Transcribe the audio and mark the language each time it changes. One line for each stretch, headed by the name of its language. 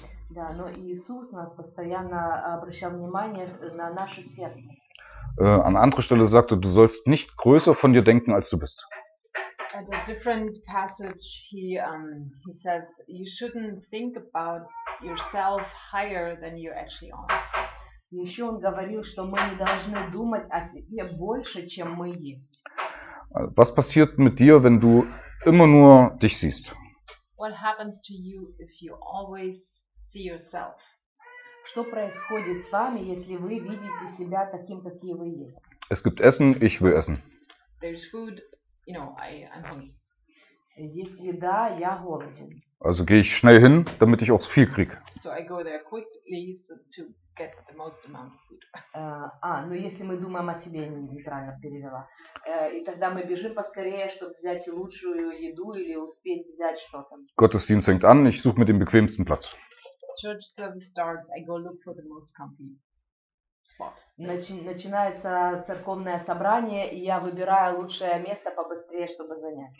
Russian: Да, но Иисус нас постоянно обращал внимание на наше сердце.
German: An anderer Stelle sagt er, du sollst nicht größer von dir denken, als du bist.
English: At a different passage, he says, you shouldn't think about yourself higher than you actually are.
Russian: Еще он говорил, что мы не должны думать о себе больше, чем мы есть.
German: Was passiert mit dir, wenn du immer nur dich siehst?
English: What happens to you if you always see yourself?
Russian: Что происходит с вами, если вы видите себя таким, какие вы есть?
German: Es gibt Essen, ich will essen.
English: There's food, you know, I'm hungry.
Russian: Есть еда, я голоден.
German: Also gehe ich schnell hin, damit ich auch viel krieg.
English: So I go there quickly to get the most amount of food.
Russian: Но если мы думаем о себе, неправильно перевела. И тогда мы бежим поскорее, чтобы взять лучшую еду или успеть взять что-то.
German: Gottesdienst fängt an, ich suche mir den bequemsten Platz.
English: Church service starts, I go look for the most comfy spot.
Russian: Начинается церковное собрание, и я выбираю лучшее место побыстрее, чтобы занять.